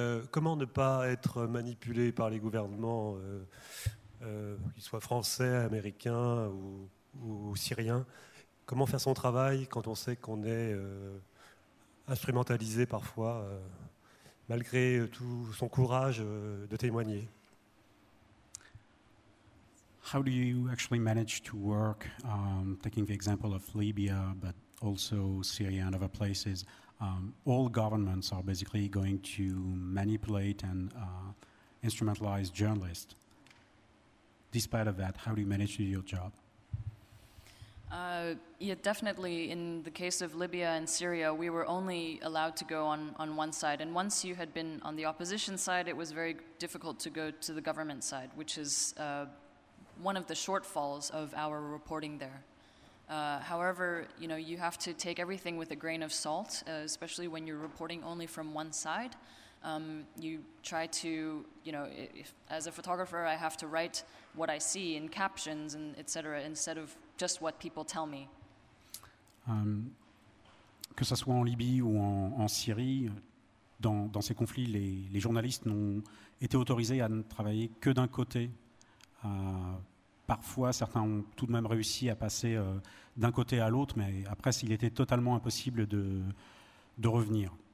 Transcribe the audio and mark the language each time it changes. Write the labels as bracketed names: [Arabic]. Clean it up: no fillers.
[French] Comment ne pas être manipulé par les gouvernements, qu'ils soient français, américains ou syriens? Comment faire son travail quand on sait qu'on est instrumentalisé parfois, malgré tout son courage de témoigner? [English] How do you actually manage to work, taking the example of Libya, but also Syria and other places? All governments are basically going to manipulate and instrumentalize journalists. Despite of that, how do you manage to do your job? Yeah, definitely in the case of Libya and Syria, we were only allowed to go on one side. And once you had been on the opposition side, it was very difficult to go to the government side, which is one of the shortfalls of our reporting there. However, you know, you have to take everything with a grain of salt, especially when you're reporting only from one side. You try to, you know, as a photographer, I have to write what I see in captions and et cetera, instead of just what people tell me. [French] Que ce soit en Libye ou en Syrie, dans ces conflits, les journalistes n'ont été autorisés à ne travailler que d'un côté. Parfois, certains ont tout de même réussi à passer d'un côté à l'autre, mais après, il était totalement impossible de revenir.